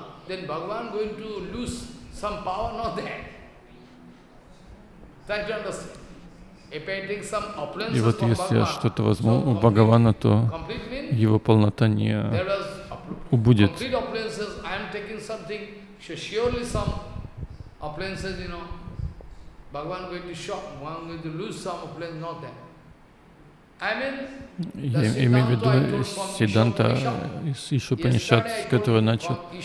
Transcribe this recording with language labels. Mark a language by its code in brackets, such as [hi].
[en] Then Bhagavan going to lose some power, not there. Try to understand. If I take some opulence from Bhagavan, [ru] если я что-то возьму у Бхагавана, то его полнота не убудет. [en] Complete opulences, I am taking something, so surely some opulences, you know, Bhagavan going to shock, Bhagavan going to lose some opulence, not there. [ru] Я имею в виду Сиддханта из Ишупанишат, с которого начал.